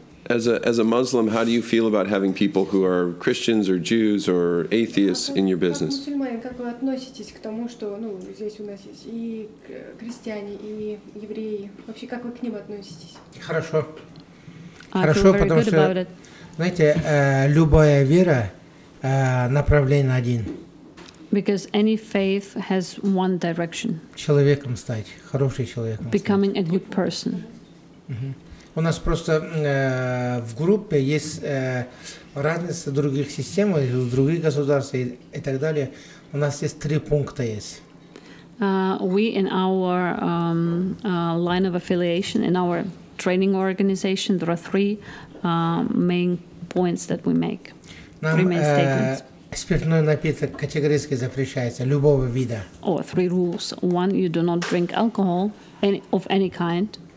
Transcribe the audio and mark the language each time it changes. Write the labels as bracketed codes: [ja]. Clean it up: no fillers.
[en] As a Muslim, how do you feel about having people who are Christians or Jews or atheists in your business? [ru] Как мусульманин, как вы относитесь к тому, что, ну, здесь у нас есть и крестьяне, и евреи? Вообще, как вы к ним относитесь? Хорошо. Хорошо, потому что, знаете, любая вера направлена один. [en] Because any faith has one direction. [ru] Человеком стать, хороший человек. [en] Becoming a good person. [ru] У нас просто в группе есть разница других систем, других государств и так далее. У нас есть три пункта есть. [en] We in our line of affiliation, in our training organization, there are three main points that we make. Three main statements. [ru] Спиртной напиток категорически запрещается любого вида. [en] Oh, three rules. One, you do not drink alcohol of any kind.